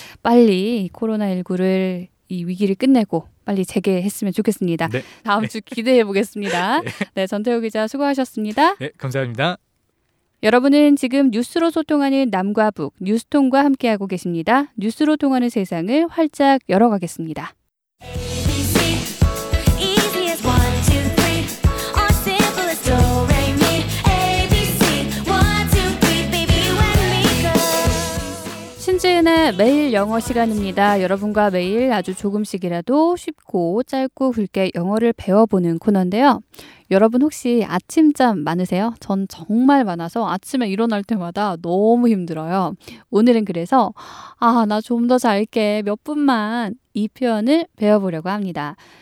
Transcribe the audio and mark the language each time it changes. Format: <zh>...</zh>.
<ko>빨리 코로나19를 이 위기를 끝내고 빨리 재개했으면 좋겠습니다. 네. 다음 주 기대해보겠습니다. 네. 네, 전태우 기자 수고하셨습니다. 네, 감사합니다. 여러분은 지금 뉴스로 소통하는 남과 북, 뉴스통과 함께하고 계십니다. 뉴스로 통하는 세상을 활짝 열어가겠습니다.</ko> <en>ABC, easy as one, two, three. Our simple as Do, Re, Mi, ABC, one, two, three, baby, when we go.</en> <ko>신지은의 매일 영어 시간입니다. 여러분과 매일 아주 조금씩이라도 쉽고 짧고 굵게 영어를 배워보는 코너인데요. 여러분 혹시 아침잠 많으세요? 전 정말 많아서 아침에 일어날 때마다 너무 힘들어요. 오늘은 그래서 아, 나 좀 더 잘게 몇 분만 이 표현을 배워보려고 합니다.</ko>